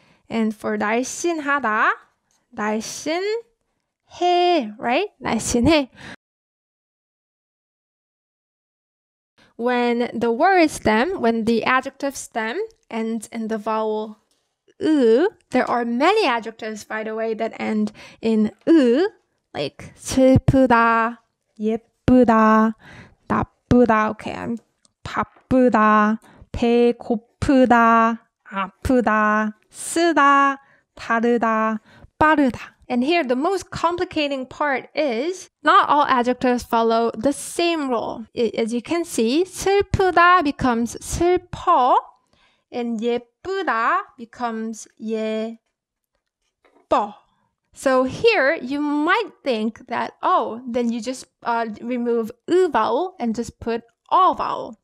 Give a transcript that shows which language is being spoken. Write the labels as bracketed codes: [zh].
[en] And for [ko] 날씬하다, 날씬해, [en] right? [ko] 날씬해. [en] When the word stem, when the adjective stem ends in the vowel ü, there are many adjectives, by the way, that end in ü, like [ko] 슬프다, 예쁘다, 나쁘다, [en] okay, [ko] 바쁘다, 배고프다. 아프다, 아프다, 쓰다, 다르다, 빠르다. [en] And here the most complicating part is not all adjectives follow the same rule. As you can see, 슬프다 becomes 슬퍼 and 예쁘다 becomes 예뻐. So here you might think that, oh, then you just remove 으 vowel and just put 어 vowel.